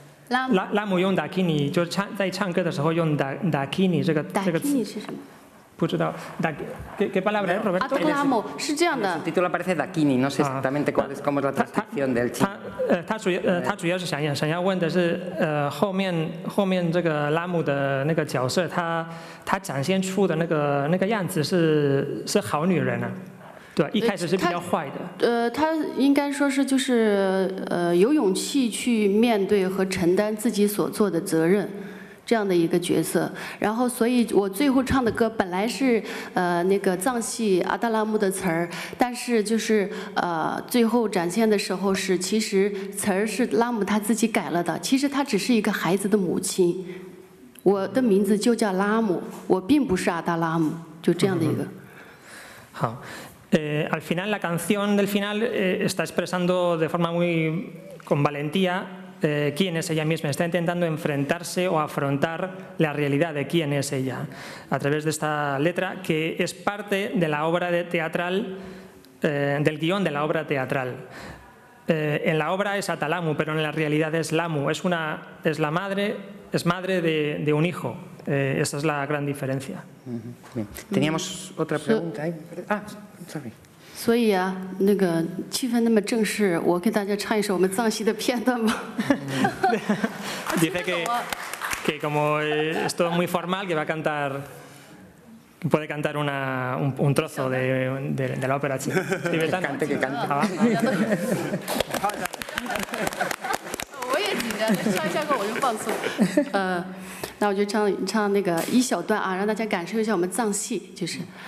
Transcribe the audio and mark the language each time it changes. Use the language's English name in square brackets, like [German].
[Chinese] Dakini 就是唱在唱歌的时候用 Dakini 这个这个词是什么？不知道 [Spanish] ¿qué palabra es, Roberto? [Chinese] Ah, Clamo, 是这样的。 [Spanish] El título aparece Dakini, no sé exactamente cuál es, cómo es la transcripción del chino. [Chinese] 他主要是想要问的是，后面这个拉姆的那个角色，他展现出的那个样子是好女人啊。对，一开始是比较坏的。他应该说是就是有勇气去面对和承担自己所做的责任，这样的一个角色。然后，所以我最后唱的歌本来是那个藏戏阿达拉木的词儿，但是就是最后展现的时候是其实词儿是拉姆他自己改了的。其实他只是一个孩子的母亲，我的名字就叫拉姆，我并不是阿达拉姆，就这样的一个。好。 [Spanish] Al final, la canción del final está expresando de forma muy con valentía quién es ella misma. Está intentando enfrentarse o afrontar la realidad de quién es ella a través de esta letra, que es parte de la obra teatral, del guión de la obra teatral. En la obra es Atalamu, pero en la realidad es Lamu. Es la madre, es madre de un hijo. Esa es la gran diferencia. Bien. Teníamos otra pregunta ahí. [English] Sorry. [Chinese] 所以啊，那个气氛那么正式，我给大家唱一首我们藏戏的片段吧。 [Spanish] Dice que como es todo muy formal, que va a cantar, puede cantar una un trozo de la ópera china. Que cante, que cante. [Chinese] 我也紧张，唱一下歌我就放松。那我就唱那个一小段啊，让大家感受一下我们藏戏，就是。